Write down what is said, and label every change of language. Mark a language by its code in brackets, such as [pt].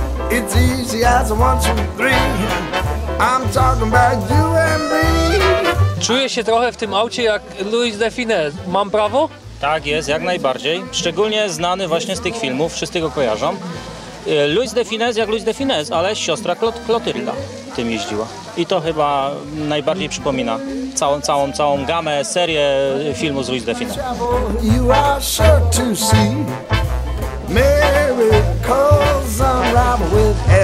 [en] It's easy as a one, two, three. I'm talking about you and me. [pl] Czuję się trochę w tym aucie jak Louis de Funès. Mam prawo? Tak jest, jak najbardziej. Szczególnie znany właśnie z tych filmów, wszyscy go kojarzą. Louis de Funès jak Louis de Funès, ale siostra Clotilda tym jeździła. I to chyba najbardziej przypomina całą gamę, serię filmu z Louis de Funès. [en] You are sure to see miracles unravel with